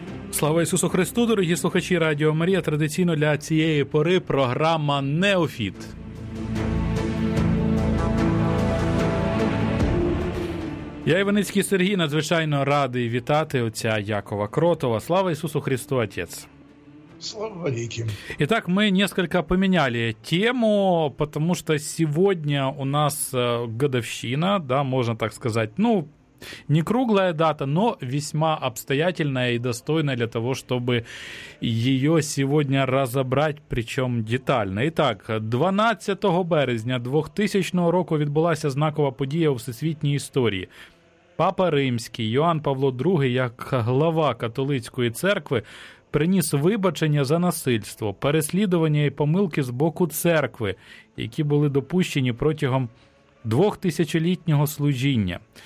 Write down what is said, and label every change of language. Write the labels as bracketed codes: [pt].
[uk] Слава Ісусу Христу, дорогі слухачі Радіо Марія. Традиційно для цієї пори програма «Неофіт». Я, Іваницький Сергій, надзвичайно радий вітати отця Якова Кротова. Слава Ісусу Христу, Отець! Слава Богу. [ru] Итак, мы несколько поменяли тему, потому что сегодня у нас годовщина, да, можно так сказать, ну, не круглая дата, но весьма обстоятельная и достойная для того, чтобы ее сегодня разобрать, причем детально. Итак, [uk] 12 березня 2000 року відбулася знакова подія у всесвітній історії. Папа Римський Йоанн Павло ІІ, як глава католицької церкви, приніс вибачення за насильство, переслідування і помилки з боку церкви, які були допущені протягом 2000-літнього служіння.